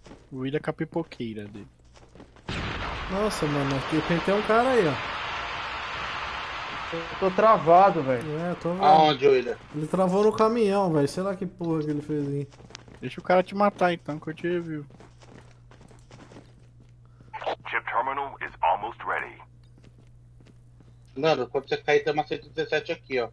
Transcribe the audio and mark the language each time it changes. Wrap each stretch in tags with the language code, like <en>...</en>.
<pt>O William com a pipoqueira dele. Nossa, mano, aqui tem que ter um cara aí, ó. Eu tô travado, velho. É, tô. Aonde, William? Ele travou no caminhão, velho. Sei lá que porra que ele fez aí. Deixa o cara te matar então, que eu te reviu.</pt> <en>Chip terminal is almost ready.</en> <pt>Mano, quando você cair, tem uma 117 aqui, ó.</pt>